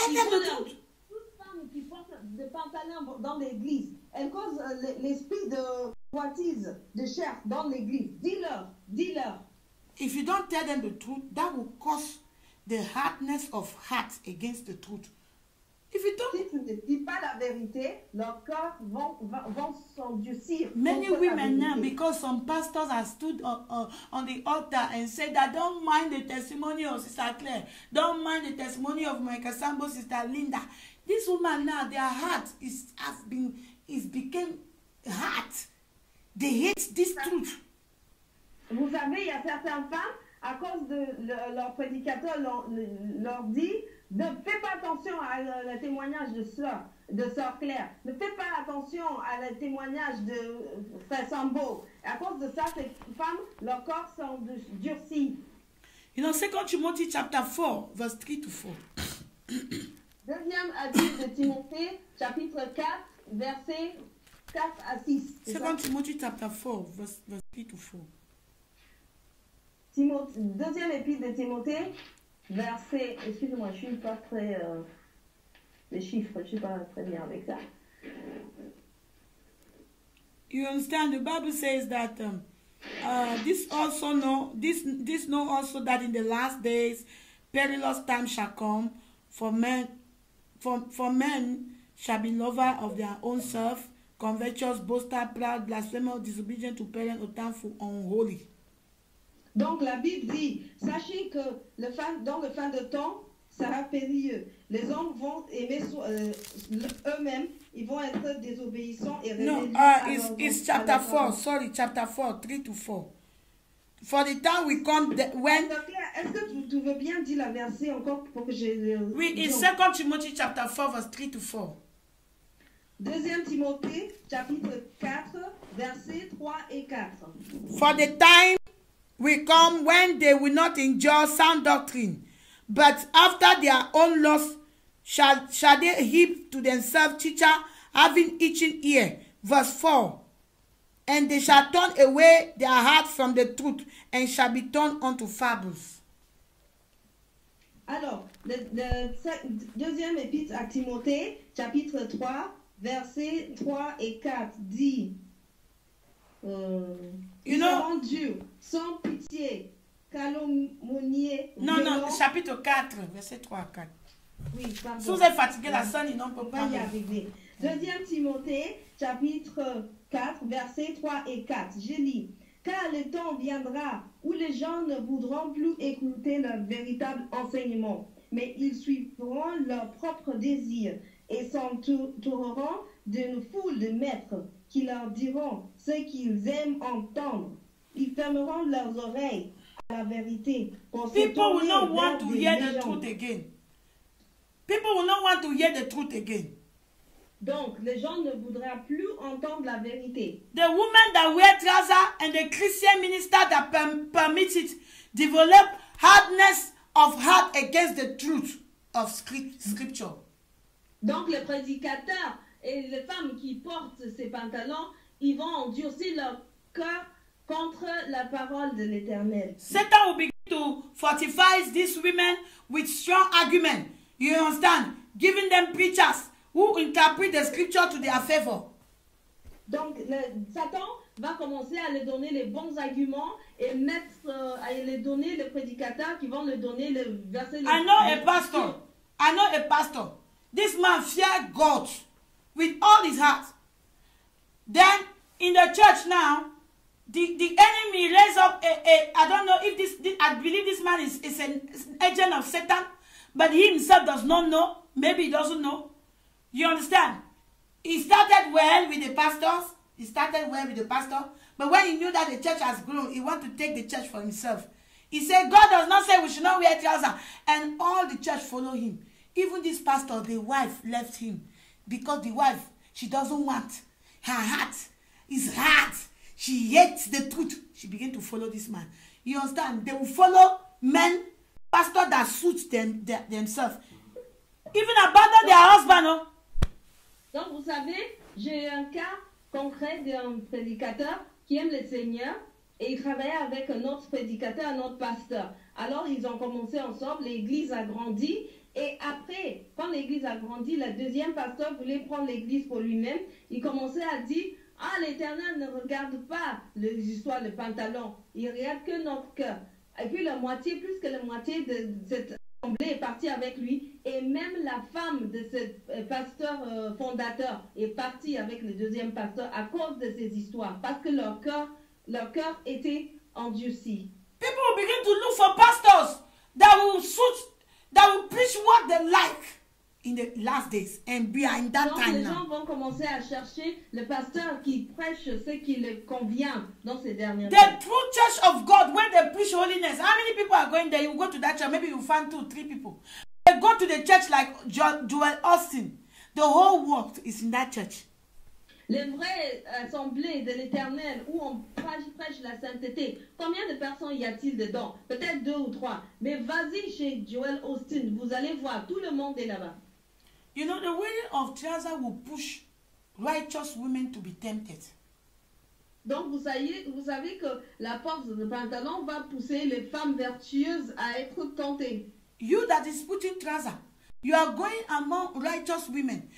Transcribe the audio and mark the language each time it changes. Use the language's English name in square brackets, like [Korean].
[French] Toute femme qui porte des pantalons dans l'église, elle cause l'esprit de convoitise, de chair dans l'église. Dis-leur. [English] If you don't tell them the truth, that will cause the hardness of heart against the truth. If you don't, [French] si tu ne dis pas la vérité, leur cœur vont s'endurcir. [English] Many women now, because some pastors have stood on the altar and said that don't mind the testimony of Sister Claire, don't mind the testimony of my Kasambo Sister Linda. This woman now, their heart has become hard. They hate this truth. [French] Vous savez, il y a certaines femmes à cause de leur prédicateur leur dit. Ne fais pas attention à le témoignage de sœur Claire. Ne fais pas attention à le témoignage de Frère Sambo. À cause de ça, ces femmes, leur corps sont durcis. [English] You know, 2 Timothy chapter 4, verse 3 to 4. [French] Deuxième avis de Timothée, chapitre 4, verset 4 à 6. [English] 2 Timothy chapter 4, verse 3 to 4. [French] Deuxième épître de Timothée. Verset, excusez-moi, je ne suis pas très. Les chiffres, je ne suis pas très bien avec ça. [English] You understand, the Bible says that this know also that in the last days perilous times shall come, for men shall be lovers of their own self, covetous, boasters, proud, blasphemers, disobedient to parents, hautainfuls, unholy. [French] Donc la Bible dit, sachez que dans le fin de temps, ça sera périlleux. Les hommes vont aimer eux-mêmes, ils vont être désobéissants et rebelles. [English] No, it's chapter 4, sorry, chapter 4, 3 to 4. For the time we come, when... [French] Est-ce que tu veux bien dire la verset encore pour que je... Oui, [English] it's 2 Timothy chapter 4, verse 3 to 4. [French] 2 Timothée, chapitre 4, verset 3 et 4. [English] For the time... We come when they will not endure sound doctrine, but after their own lust shall they heap to themselves teacher having itching ear. Verse 4. And they shall turn away their heart from the truth and shall be turned unto fables. [French] Alors, le deuxième épître à Timothée, chapitre 3, versets 3 et 4, dit. Sans pitié, calomnier. Non, chapitre 4, verset 3 à 4. Oui, pardon. Si vous êtes fatigué, la sonne, ils n'ont pas y arriver. Deuxième Timothée, chapitre 4, verset 3 et 4. Je lis, car le temps viendra où les gens ne voudront plus écouter leur véritable enseignement, mais ils suivront leurs propres désirs et s'entoureront d'une foule de maîtres qui leur diront ce qu'ils aiment entendre. Ils fermeront leurs oreilles à la vérité. [English] People will not want to hear the truth again. People will not want to hear the truth again. [French] Donc, les gens ne voudraient plus entendre la vérité. [English] The women that wear trousers and the Christian minister that permit it develop hardness of heart against the truth of scripture. [French] Donc, les prédicateurs et les femmes qui portent ces pantalons, ils vont endurcir leur cœur contre la parole de l'Éternel. [English] Satan will begin to to fortify these women with strong argument. You understand? Giving them preachers who interpret the scripture to their favor. [French] Donc, Satan va commencer à leur donner les bons arguments et mettre à les donner les prédicateurs qui vont leur donner les versets. [English] I know a pastor. I know a pastor. This man feared God with all his heart. Then, in the church now, the enemy raised up a I don't know if this I believe this man is an agent of Satan, but he himself does not know. Maybe he doesn't know. You understand? He started well with the pastors. He started well with the pastor. But when he knew that the church has grown, he wanted to take the church for himself. He said, God does not say we should not wear trousers. And all the church follow him. Even this pastor, the wife left him. Because the wife, she doesn't want. Her heart is hard. She hates the truth. She began to follow this man. You understand? They will follow men, pastor that suits them themselves. Even abandon their husband. Oh. [French] Donc, vous savez, j'ai un cas concret d'un prédicateur qui aime le Seigneur et il travaillait avec un autre prédicateur, un autre pasteur. Alors, ils ont commencé ensemble, l'église a grandi et après, quand l'église a grandi, le deuxième pasteur voulait prendre l'église pour lui-même. Il commençait à dire, « Ah, l'Éternel ne regarde pas les histoires, le pantalon, il ne regarde que notre cœur. » Et puis, la moitié, plus que la moitié de cette assemblée est partie avec lui. Et même la femme de ce pasteur fondateur est partie avec le deuxième pasteur à cause de ces histoires. Parce que leur cœur était endurci. [English] People begin to look for pastors that will suit, that will preach what they like in the last days and behind that time. [French] Donc les gens vont commencer à chercher le pasteur qui prêche ce qui leur convient dans ces dernières temps. [English] The true church of God, when they preach holiness, how many people are going there? You go to that church, maybe you find 2-3 people. Go to the church like Joel Austin. The whole world is in that church. [French] Les vraies assemblées de l'Éternel où on prêche la sainteté. Combien de personnes y a-t-il dedans? Peut-être 2 ou 3. Mais vas-y chez Joel Austin. Vous allez voir tout le monde est là-bas. [English] You know the wearing of trousers will push righteous women to be tempted. [French] Donc vous savez que la force de pantalon va pousser les femmes vertueuses à être tentées. [English] You that is putting trousers, you are going among righteous women.